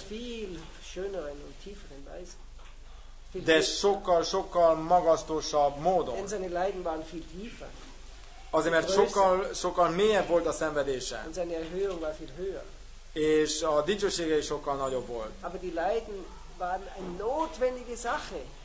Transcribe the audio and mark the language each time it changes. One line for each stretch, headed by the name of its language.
German: Viel schöneren und tieferen Weise.
Hungarian: De sokkal, sokkal magasztosabb módon.
German: Denn seine Leiden waren viel tiefer.
Hungarian: Azért, mert sokkal, sokkal mélyebb volt a szenvedése.
German: Und seine Erhöhung war viel höher.
Hungarian: És a dicsősége is sokkal nagyobb volt.
German: Aber die Leiden waren eine notwendige Sache.